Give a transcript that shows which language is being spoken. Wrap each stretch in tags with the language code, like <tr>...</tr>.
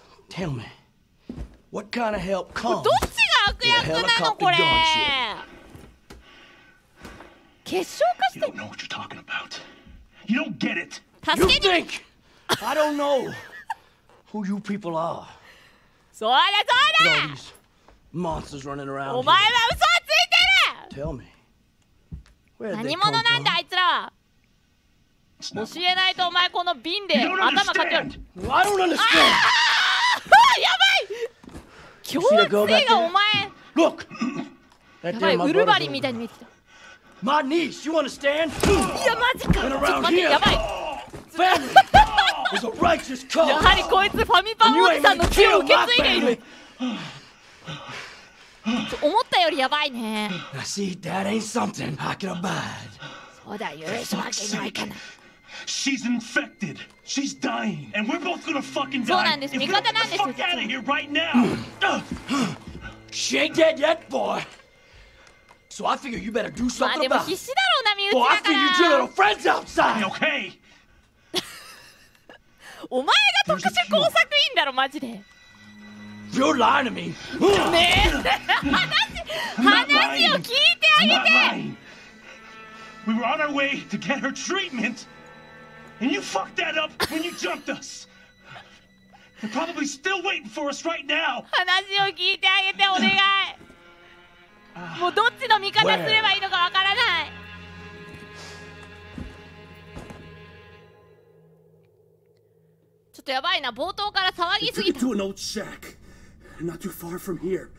<en>Tell me, what kind of help comes?</en> <ja>どっちが悪役なのこれ。結晶化して。</ja> <en>You don't know what you're talking about. You don't get it. You think? I don't know who you people are.</en> <ja>そうだそうだ。</ja> <en>Monsters running around.</en> <ja>お前は嘘をついてる。</ja> <en>Tell me. Where did they come from?</en> <ja>何者なんだあいつらは。教えないとお前この瓶で頭かける。</ja> <en>I don't understand.</en> <ja>ああ、やばい。強制がお前。</ja> <en>Look.</en> <ja>やばい、ウルヴァリンみたいに見えてきた。</ja> <en>My niece, you understand?</en> <ja>いやマジか。</ja> <en>Run around here.</en> <ja>やばい。</ja> <en>Family is a righteous cause.</en> <ja>やはりこいつファミパンおじさんの血を受け継いでいる。思ったよりやばいね。</ja> <en>I see that ain't something I can abide.</en> <ja>そうだ、許すわけないかな。</ja> <en>She's infected. She's dying. And we're both gonna fucking die.</en> <ja>そうなんです。味方なんです。</ja> <en>Get the fuck out of here right now. She ain't dead yet, boy. So I figure you better do something about.</en> <ja>まあでも必死だろうな、身内だから。</ja> <en>Boy, I figure you two little friends outside. Okay.</en> <ja>お前が特殊工作員だろ、マジで。</ja> <en>You're lying to me.</en> <ja>ねえ、話を聞いてあげて。</ja> <en>We were on our way to get her treatment, and you fucked that up when you jumped us. They're probably still waiting for us right now.</en> <ja>話を聞いてあげてお願い。もうどっちの味方すればいいのかわからない。ちょっとやばいな、冒頭から騒ぎすぎた。</ja> <en>Not too far from here.</en>